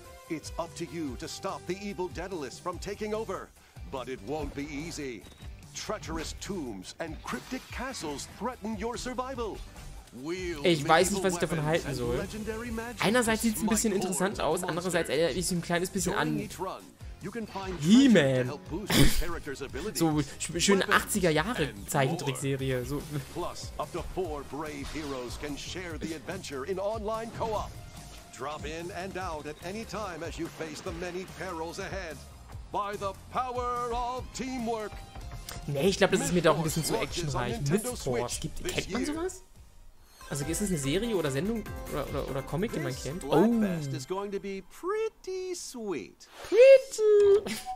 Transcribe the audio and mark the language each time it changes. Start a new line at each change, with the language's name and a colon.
English: It's up to you to stop the evil Daedalus from taking over, but it won't be easy. Treacherous tombs and cryptic castles threaten your survival.
German: Ich weiß nicht, was ich davon halten soll. Einerseits sieht es ein bisschen interessant aus, andererseits erinnert mich ein kleines bisschen an He-Man. So schöne 80er-Jahre-Zeichentrickserie. So.
English: Plus, up to 4 brave heroes can share the adventure in online co-op. Drop in and out at any time as you face the many perils ahead. By the power of teamwork.
German: Nee, ich glaube, das ist mir doch ein bisschen zu actionreich. MythForce, kennt man sowas? Also ist es eine Serie oder Sendung oder Comic, den man kennt? Oh.
English: Is going to be pretty sweet. Pretty.